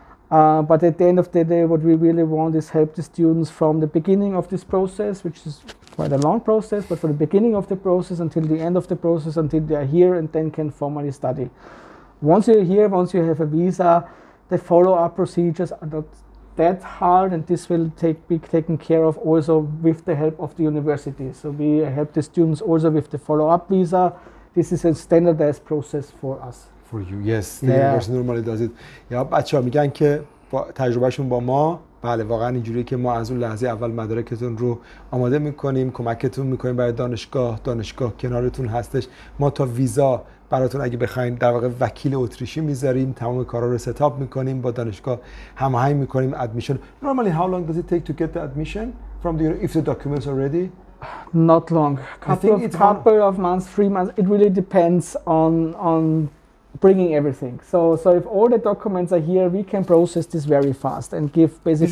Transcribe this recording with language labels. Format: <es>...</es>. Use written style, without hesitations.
<en>But at the end of the day, what we really want is help the students from the beginning of this process, which is quite a long process, but from the beginning of the process until the end of the process, until they are here and then can formally study. Once you're here, once you have a visa, the follow-up procedures are not that hard, and this will be taken care of also with the help of the university. So we help the students also with the follow-up visa. This is a standardized process for us. For you, yes. Yeah. The university normally does it.</en> <fa>Yeah, بچه ها میگن که با تجربهشون با ما، بله واقعا اینجوری که ما از اون لحظه اول مدارکتون رو آماده میکنیم، کمکتون میکنیم برای دانشگاه، دانشگاه کنارتون هستش. ما تا ویزا براتون اگه بخواید در واقع وکیل اتریشی میذاریم، تمام کارا رو ستاپ میکنیم، با دانشگاه هماهنگ میکنیم ادمیشن.</fa> <en>Normally how long does it take to get the admission from the if the documents are ready? Not long. Couple of months, 3 months. It really depends on bringing everything. So if all the documents are here, we can process this very fast and give basically</en>